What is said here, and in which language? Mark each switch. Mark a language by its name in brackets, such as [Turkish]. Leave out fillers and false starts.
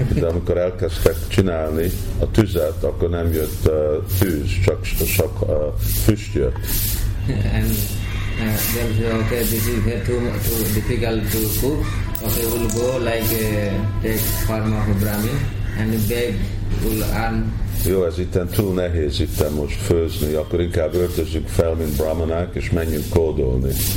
[Hungarian] De amikor elkezdtek csinálni a tüzet, akkor nem jött tűz, csak sok füst jött. [English] And then okay, this is too difficult to cook. Okay, we'll go like take form of a Brahmin and beg will earn. [Hungarian] Jó, ez itten túl nehéz itten most főzni, akkor inkább öltözünk fel, mint brahmanák, és menjünk kódolni.